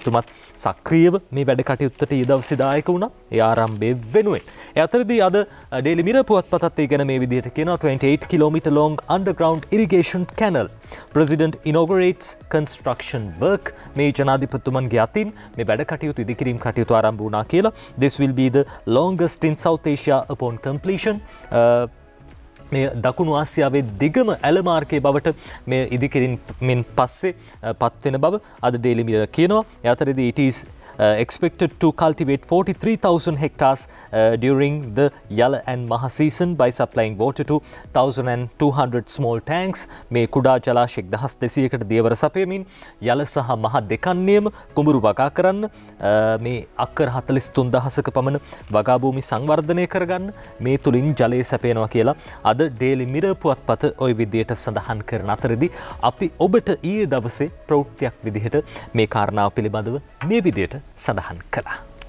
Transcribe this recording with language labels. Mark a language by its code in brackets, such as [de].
[si] එතුමත් සක්‍රීයව මේ වැඩ කටයුත්තට ඊ දවසේ දායක වුණා ඒ ආරම්භය වෙනුවෙන්. ඒ අතරදී අද ඩේලි මිර පුවත්පතත් ඒ ගැන මේ විදිහට කියනවා [en] 28 kilometre long underground irrigation canal president inaugurates construction work. [si] මේ ජනාධිපතිතුමන්ගේ අතින් මේ වැඩ කටයුතු ඉදිකිරීම කටයුතු ආරම්භ වුණා කියලා. [en] This will be the longest in South Asia upon completion. [si] මේ දකුණු ආසියාවේ දිගම ඇල මාර්ගයේ බවට මේ ඉදිකිරීමෙන් පස්සේ පත්වෙන බව අද ඩේලි මිරර් කියනවා. ඒ අතරදී [en] it is expected to cultivate 43,000 hectares during the Yala and Maha season by supplying water to 1,200 small tanks. [si] මේ කුඩා ජලාශය 1200කට දියවර සපයමින් යල සහ මහ දෙකන්නේම කුඹුරු වගා කරන්න මේ අක්කර 43,000ක පමණ වගා භූමි සංවර්ධනය කරගන්න මේ තුලින් ජලය සපයනවා කියලා අද ඩේලි මිරර් පුවත්පත ওই විදියට සඳහන් කරන අතරදී අපි ඔබට ඊයේ දවසේ ප්‍රවෘත්තියක් විදිහට මේ කාරණාව පිළිබඳව මේ විදියට සඳහන් කළා.